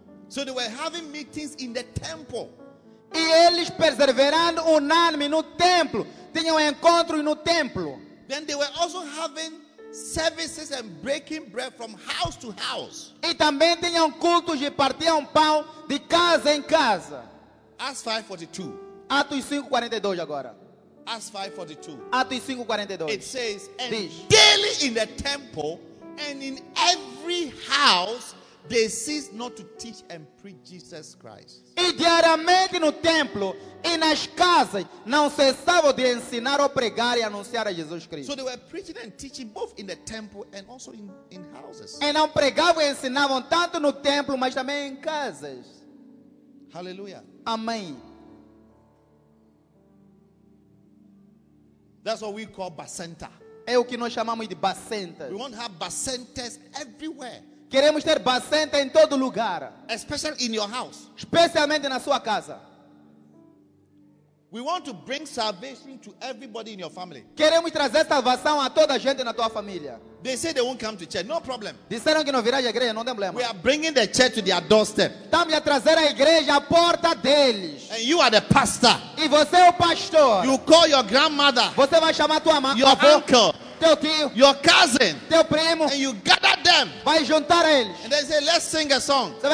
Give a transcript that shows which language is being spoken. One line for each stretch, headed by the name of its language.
English: So they were having meetings in the temple.
Portuguese: E eles perseverando unânime no templo. Tinham encontro no templo.
English: Then they were also having services and breaking bread from house to house.
Portuguese: E também tinham cultos e partiam pão de casa em casa.
English: Acts 5:42.
Portuguese: Atos 5:42 agora.
English: Acts 5:42.
Portuguese: Atos 5:42.
English: It says, and daily in the temple and in every house they cease not to teach and preach Jesus Christ.
Portuguese: E diariamente no templo e nas casas não cessavam de ensinar ou pregar e anunciar a Jesus Cristo.
English: So they were preaching and teaching both in the temple and also in houses.
Portuguese: E não pregavam e ensinavam tanto no templo, mas também em casas.
English: Hallelujah.
Portuguese: Amém.
English: That's what we call bacenta.
Portuguese: É o que nós chamamos de bacenta.
English: We want to have bacentas everywhere.
Portuguese: Queremos ter bacenta em todo lugar.
English: Especially in your house.
Portuguese: Especialmente na sua casa.
English: We want to bring salvation to everybody in your family.
Portuguese: Queremos trazer salvação a toda a gente na tua família.
English: They say they won't come to church. No problem.
Portuguese: Disseram que não virá à igreja, não tem problema.
English: We are bringing the church to their doorstep.
Portuguese: Estamos a trazer a igreja à porta deles.
English: And you are the pastor.
Portuguese: E você é o pastor.
English: You call your grandmother.
Portuguese: Você vai chamar tua mãe.
English: Your uncle.
Portuguese: Teu tio.
English: Your cousin.
Portuguese: Teu primo.
English: And you gather them.
Portuguese: Vai juntar eles.
English: And they say, let's sing a song.